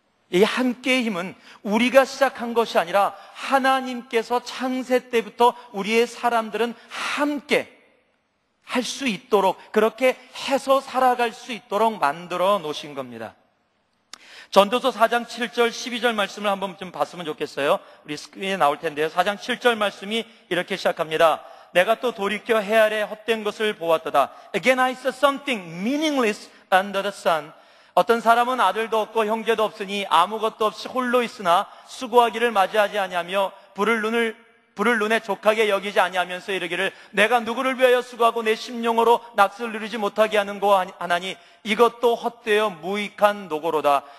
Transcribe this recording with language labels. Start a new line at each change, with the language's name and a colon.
Korean: 이 함께의 힘은 우리가 시작한 것이 아니라 하나님께서 창세 때부터 우리의 사람들은 함께 할 수 있도록, 그렇게 해서 살아갈 수 있도록 만들어 놓으신 겁니다. 전도서 4장 7절 12절 말씀을 한번 좀 봤으면 좋겠어요. 우리 스크린에 나올 텐데요, 4장 7절 말씀이 이렇게 시작합니다. 내가 또 돌이켜 해아래 헛된 것을 보았도다.
English: Again I saw something meaningless under the sun.
Korean: 어떤 사람은 아들도 없고 형제도 없으니 아무것도 없이 홀로 있으나 수고하기를 맞이하지 아니하며 부를 눈에 족하게 여기지 아니하면서 이르기를 내가 누구를 위하여 수고하고 내 심령으로 낙스를 누리지 못하게 하는고 하나니 이것도 헛되어 무익한 노고로다.